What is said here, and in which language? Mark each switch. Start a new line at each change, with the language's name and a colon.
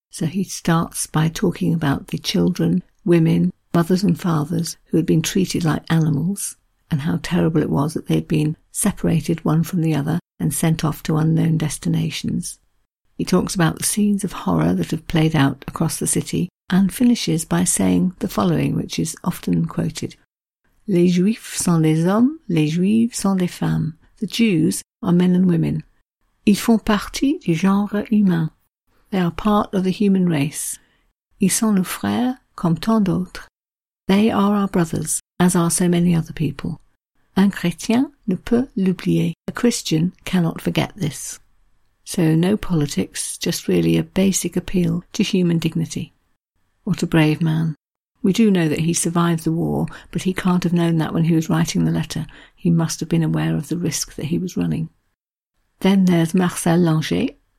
English: So he starts by talking about the children, women, mothers and fathers who had been treated like animals, and how terrible it was that they'd been separated one from the other and sent off to unknown destinations. He talks about the scenes of horror that have played out across the city and finishes by saying the following, which is often quoted.
French: Les Juifs sont des hommes, les Juives sont des femmes.
English: The Jews are men and women.
French: Ils font partie du genre humain.
English: They are part of the human race.
French: Ils sont nos frères comme tant d'autres.
English: They are our brothers, as are so many other people.
French: Un chrétien ne peut l'oublier.
English: A Christian cannot forget this. So no politics, just really a basic appeal to human dignity. What a brave man. We do know that he survived the war, but he can't have known that when he was writing the letter. He must have been aware of the risk that he was running. Then there's Marcel Langer.